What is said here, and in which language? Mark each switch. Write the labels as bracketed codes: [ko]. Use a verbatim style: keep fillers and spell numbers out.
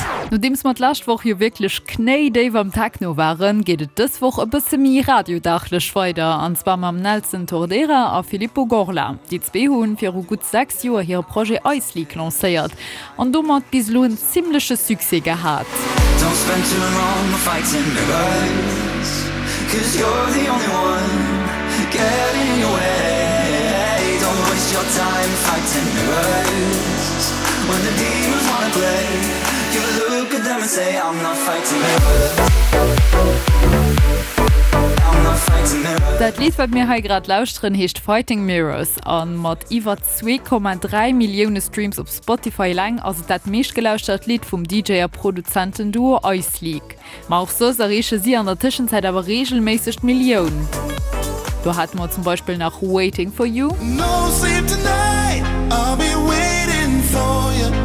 [de] Nachdem es mit letzter Woche hier wirklich knalldicht am Techno waren, geht es diese Woche ein bisschen mehr radiodachlich weiter, und zwar mit Nelson Tordera und Filippo Gorla. Die zwei haben für gut sechs Jahre ihr Projekt Ice League lanciert und damit bis nun ziemliches Succès gehabt. [en] Don't spend too long fighting the guys, 'cause you're the only one getting in your way. Don't waste your time fighting the guys, when the demons wanna play. You look at them and say, I'm not fighting mirrors. I'm not fighting mirrors. [de] Das Lied, das wir heute gerade lauschen, heißt Fighting Mirrors. Und mit über zwei Komma drei Millionen Streams auf Spotify lang, also das meistgelauschte Lied vom D J- und Produzentenduo Ice League. Aber auch so erreichen sie in der Zwischenzeit aber regelmäßig Millionen. Da hatten wir zum Beispiel noch Waiting for You. [en] No sleep tonight, I'll be waiting for you.